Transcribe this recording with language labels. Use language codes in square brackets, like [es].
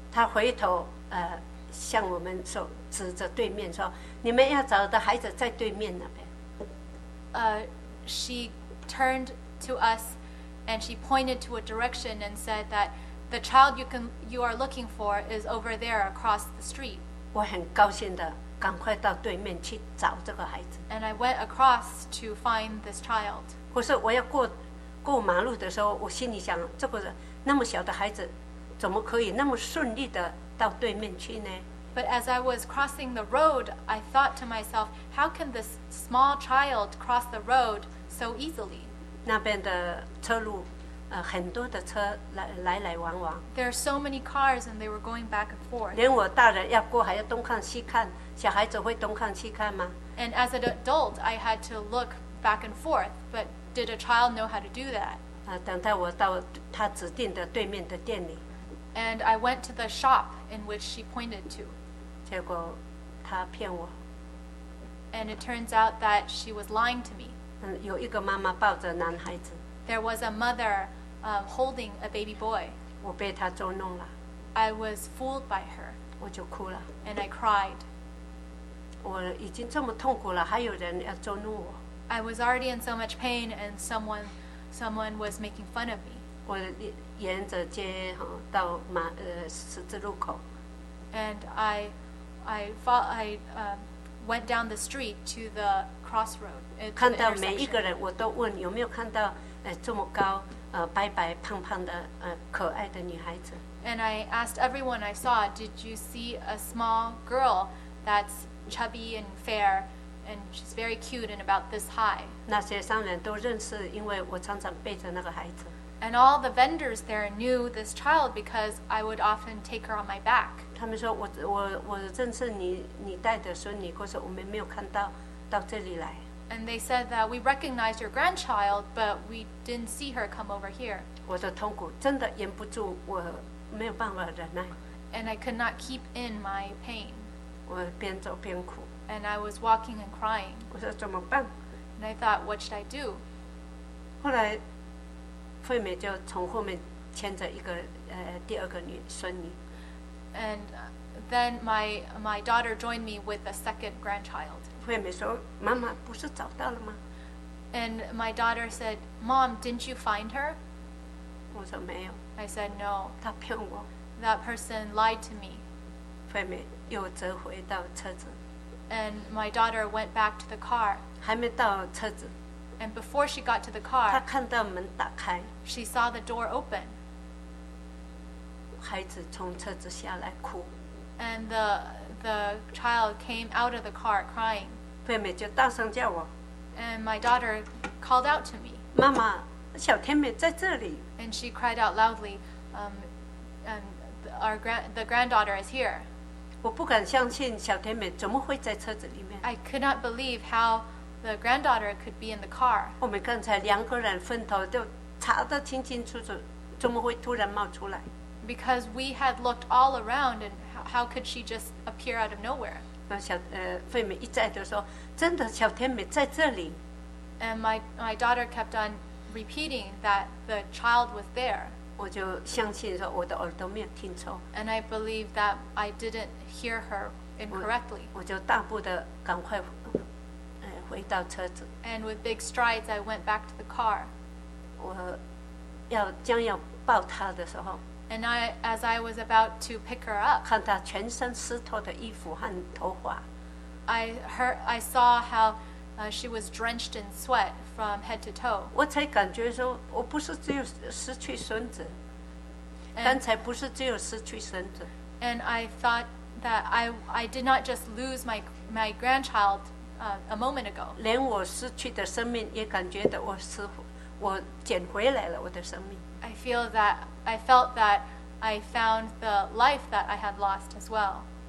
[zh] 她回头向我们说，指着对面说：“你们要找的孩子在对面那边。” [en] She turned to us and she pointed to a direction and said that the child you are looking for is over there across the street. [zh] 我很高兴的赶快到对面去找这个孩子。 [en] And I went across to find this child. [zh] 可是我要过马路的时候，我心里想，这个那么小的孩子怎么可以那么顺利的到对面去呢？ [en] But as I was crossing the road, I thought to myself, how can this small child cross the road so easily? [zh] 那边的车路，很多的车来来往往。 [en] There are so many cars and they were going back and forth. [zh] 连我大人要过还要东看西看，小孩子会东看西看吗？ [en] And as an adult, I had to look back and forth, but did a child know how to do that? [zh] 等待我到他指定的对面的店里。 [en] And I went to the shop in which she pointed to. [zh] 结果他骗我。 [en] And it turns out that she was lying to me. [zh] 有一个妈妈抱着男孩子。 [en] There was a mother holding a baby boy. [zh] 我被她捉弄了。 [en] I was fooled by her. [zh] 我就哭了。 [en] And I cried. [zh] 我已经这么痛苦了，还有人要捉弄我。 [en] I was already in so much pain, and someone was making fun of me. [zh] 我沿着街到马十字路口。 [en] And I went down the street to the crossroad. [zh] 看到每一个人，我都问有没有看到。这么高白白胖胖的可爱的女孩子。 [en] And I asked everyone I saw, did you see a small girl that's chubby and fair, and she's very cute and about this high? [zh] 那些商人都认识，因为我常常背着那个孩子。 [en] And all the vendors there knew this child because I would often take her on my back. [zh] 他们说我认识你带的孙女，可是我们没有看到这里来。 [en] And they said that we recognized your grandchild, but we didn't see her come over here. [zh] 我的痛苦真的忍不住，我没有办法忍耐。 [en] And I could not keep in my pain. [zh] 我边走边哭。 [en] And I was walking and crying. [zh] 我说怎么办？ [en] And I thought, what should I do? [zh] 后来，惠美就从后面牵着一个第二个孙女。 [en] And then my daughter joined me with a second grandchild. [zh] 惠美说：“妈妈不是找到了吗 [en] ？”And my daughter said, "Mom, didn't you find her?" [zh] 我说没有。 [en] I said no. [zh] 她骗我。 [en] That person lied to me. [zh] 惠美又折回到车子。 [en] And my daughter went back to the car. [zh] 还没到车子。 [en] And before she got to the car, [zh] 她看到门打开。 [en] She saw the door open. [zh] 孩子从车子下来哭。 [en] And the child came out of the car crying. [zh] 惠美就大声叫我。 [en] And my daughter called out to me. [zh] 妈妈，小天美在这里。 [en] And she cried out loudly, the granddaughter is here. [zh] 我不敢相信小天美怎么会在车子里面。 [en] I could not believe how the granddaughter could be in the car. [zh] 我们刚才两个人分头都查得清清楚楚，怎么会突然冒出来？ [en] Because we had looked all around, and how could she just appear out of nowhere? [zh] 惠美一再地说，真的小天美在这里。 [en] And my daughter kept on repeating that the child was there. [zh] 我就相信说我的耳朵没有听错。 [en] And I believe that I didn't hear her incorrectly. [zh] 我就大步地赶快回到车子。 [en] And with big strides, I went back to the car. [zh] 我要将要抱她的时候， [en] And as I was about to pick her up, [zh] 看她全身湿透的衣服和头发。 [en] I saw how she was drenched in sweat from head to toe. [zh] 我才感觉说，我不是只有失去孙子，刚才不是只有失去孙子。 [en] And I thought that I did not just lose my grandchild a moment ago. [zh] 连我失去的生命也感觉到我捡回来了我的生命。 [en] I felt that I found the life that I had lost as well.